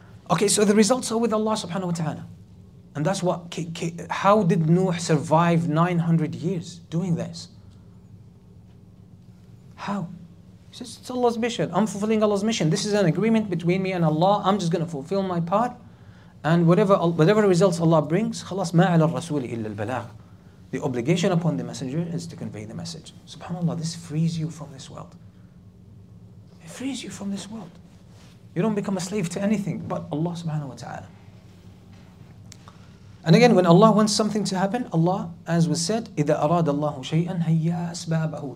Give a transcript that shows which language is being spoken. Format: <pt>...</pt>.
<en>Okay, so the results are with Allah subhanahu wa ta'ala. And that's what, how did Nuh survive 900 years doing this? How? He says, it's Allah's mission. I'm fulfilling Allah's mission. This is an agreement between me and Allah. I'm just going to fulfill my part. And whatever results Allah brings,</en> <ar>خلاص ما على الرسول إلا البلاغ.</ar> <en>The obligation upon the messenger is to convey the message. SubhanAllah, this frees you from this world. It frees you from this world. You don't become a slave to anything but Allah subhanahu wa ta'ala. And again, when Allah wants something to happen, Allah, as was said,</en> <ar>إِذَا أَرَادَ اللَّهُ شَيْئًا هَيَّا أَسْبَابَهُ.</ar>